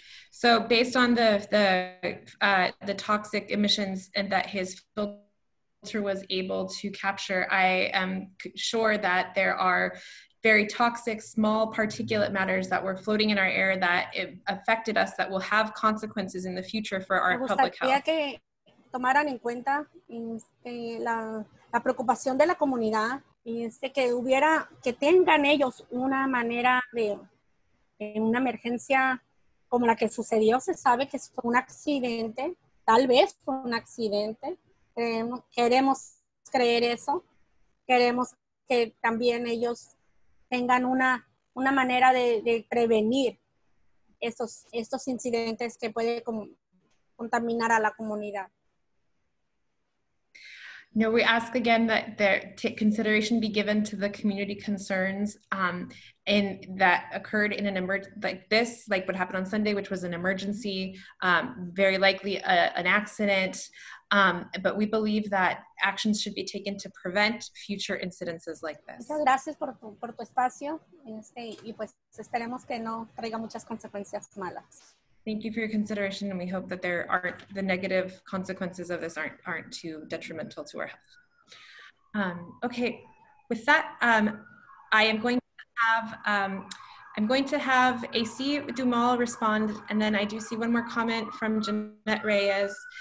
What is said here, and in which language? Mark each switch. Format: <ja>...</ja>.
<en>So based on the toxic emissions and that his filter was able to capture, I am sure that there are very toxic, small particulate matters that were floating in our air that affected us that will have consequences in the future for our public health.</en> <es>Me gustaría que tomaran en cuenta la preocupación de la comunidad y que tengan ellos una manera de una emergencia como la que sucedió. Se sabe que fue un accidente, tal vez fue un accidente. Queremos creer eso. Queremos que también ellos tengan una manera de prevenir estos incidentes que puede contaminar a la comunidad.</es> <en>No, we ask again that there consideration be given to the community concerns in that occurred in an emergency like this, like what happened on Sunday, which was an emergency, very likely an accident. But we believe that actions should be taken to prevent future incidences like this.</en> <es>Muchas gracias por tu espacio y pues esperemos que no traiga muchas consecuencias malas.</es> <en>Thank you for your consideration, and we hope that there aren't the negative consequences of this aren't too detrimental to our health. Okay, with that, I'm going to have AC Dumal respond, and then I do see one more comment from Jeanette Reyes.</en>